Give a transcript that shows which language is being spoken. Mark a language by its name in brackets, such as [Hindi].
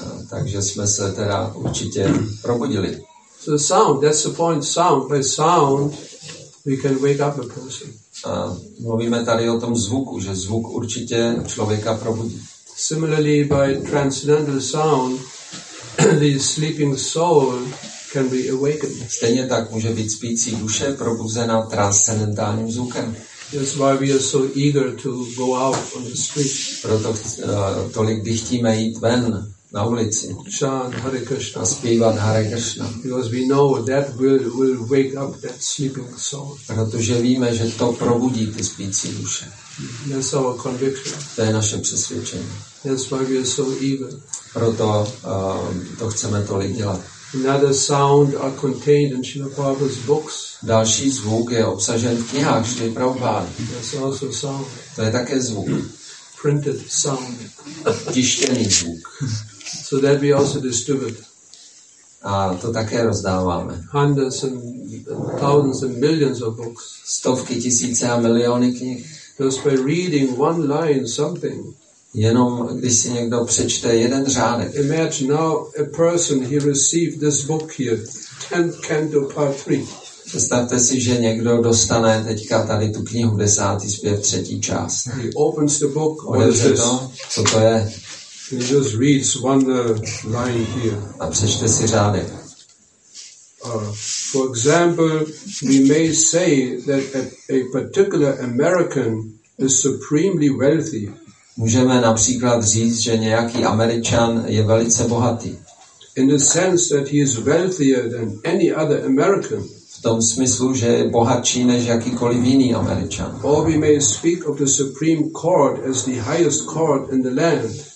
[Czech] Takže jsme se teda určitě probudili. [English] So sound, that's the point. Sound, by sound, we can wake up a person. [Czech] A mluvíme tady o tom zvuku, že zvuk určitě člověka probudí. [English] Similarly, by transcendental sound, the sleeping soul can be awakened. [Czech] Stejně tak může být spící duše probuzena transcendentálním zvukem. [English] That's why we are so eager to go out on the street. [Czech] Proto tolik chtíme jít ven na ulici. [English] Chant Hare Krishna. [Czech] A zpívat Hare Krishna. [English] Because we know that will wake up that sleeping soul. [Czech] Protože víme, že to probudí ty spící duše. [English] That's our conviction. [Czech] To je naše přesvědčení. [English] That's why we are so eager. [Czech] Proto to chceme tolik dělat. [English] Another sound are contained in Srila Prabhupada's books. [Czech] Další zvuk je obsažen v knihách Srila Prabhupada. [English] That's also sound. [Czech] To je také zvuk. [English] Printed sound. [Czech] Tištěný zvuk. [English] So that we also distribute. [Czech] A to také rozdáváme. [English] Hundreds and thousands and millions of books. [Czech] Stovky, tisíce a miliony knih. [English] Just by reading one line something. [Czech] Jenom když si někdo přečte jeden řádek. [English] Imagine now a person he received this book here, 10th canto part 3. [Czech] Představte si, že někdo dostane teďka tady tu knihu, 10. zpěv, 3. část. [English] He opens the book. [Czech] Otevře to, co to je? [English] He just reads one line here. [Czech] A přečte si řádek. [English] For example, we may say that a particular American is supremely wealthy. [Czech] Můžeme například říct, že nějaký Američan je velice bohatý. [English] In the sense that he is wealthier than any other American. [Czech] V tom smyslu, že je bohatší než jakýkoliv jiný Američan. [English] Or we may speak of the Supreme Court as the highest court in the land.